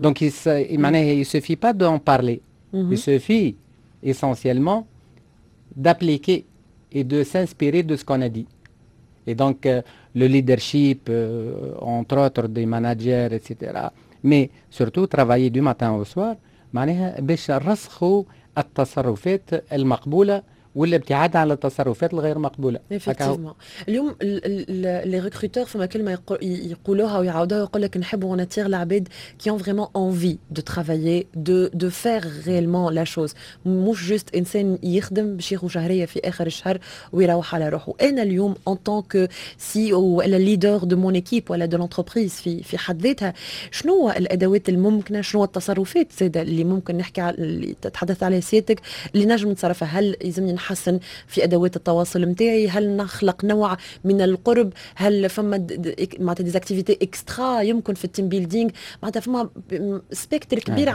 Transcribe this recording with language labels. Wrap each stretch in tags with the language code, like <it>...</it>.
<fr>Donc il suffit pas d'en parler. Mm-hmm. Il suffit essentiellement d'appliquer et de s'inspirer de ce qu'on a dit. Et donc le leadership, entre autres des managers, etc. Mais surtout travailler du matin au soir,</fr> <ar>معناها باش نرسخوا التصرفات المقبولة والابتعاد عن التصرفات الغير مقبولة.</ar> <fr>Effectivement.</fr> <ar>اليوم</ar> <fr>les recruteurs</fr> <ar>فما كلمة يقولوها ويعاودوها ويقول لك نحب</ar> <fr>on attire</fr> <ar>العباد</ar> <fr>qui ont vraiment envie de travailler, de faire réellement la chose.</fr> <ar>مش جست انسان يخدم باش يخرج شهرية في آخر الشهر ويروح على روحه. أنا اليوم</ar> <fr>en tant que CEO</fr> <ar>ولا leader</ar> <fr>de mon équipe</fr> <ar>ولا</ar> <fr>de l'entreprise</fr> <ar>في حد ذاتها, شنو هو الأدوات الممكنة, شنو هو التصرفات زادة اللي ممكن نحكي اللي تتحدث عليها سيادتك اللي نجم نتصرفها؟ هل يلزمني نحسن في ادوات التواصل نتاعي؟ هل نخلق نوع من القرب؟ هل فما معناتها ديز اكتيفيتي اكسترا يمكن في التيم بيلدينغ؟ معناتها فما سبيكتر كبير.</ar>